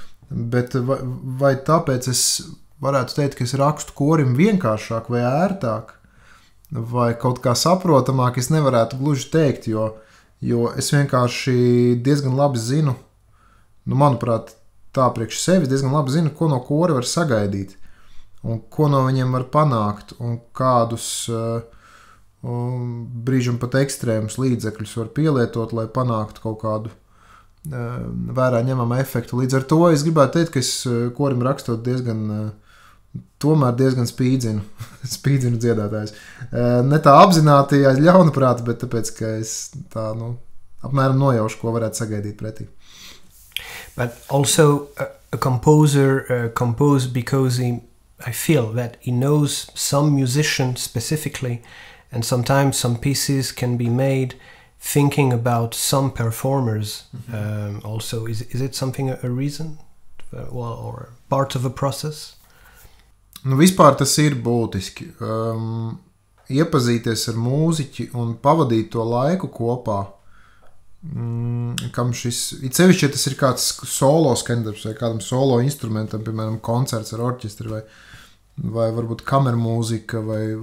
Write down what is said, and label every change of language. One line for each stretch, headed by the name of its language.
Latvian: Bet vai tāpēc es varētu teikt, ka es rakstu korim vienkāršāk vai ērtāk, vai kaut kā saprotamāk, es nevarētu gluži teikt, jo es vienkārši diezgan labi zinu, nu manuprāt, tā priekš sevi, diezgan labi zinu, ko no kora var sagaidīt, un ko no viņiem var panākt, un kādus brīžam pat ekstrēmus līdzekļus var pielietot, lai panāktu kaut kādu vērā ņemamu efektu. Līdz ar to es gribētu teikt, ka es korim rakstot diezgan tomēr diezgan spīdzinu dziedātājs. Ne tā apzināti, ja ļaunuprāt, bet tāpēc, ka es tā, nu, apmēram nojaušu, ko varētu sagaidīt pretī.
English: But also a composer compose because I feel that he knows some musician specifically and sometimes some pieces can be made thinking about some performers also. Is it something a reason or part of a process?
Latvian: Nu, vispār tas ir būtiski. Iepazīties ar mūziķi un pavadīt to laiku kopā, kam šis, it sevišķi, tas ir kāds solo skaņdarbs vai kādam solo instrumentam, piemēram, koncerts ar orķestri vai varbūt kamermūzika vai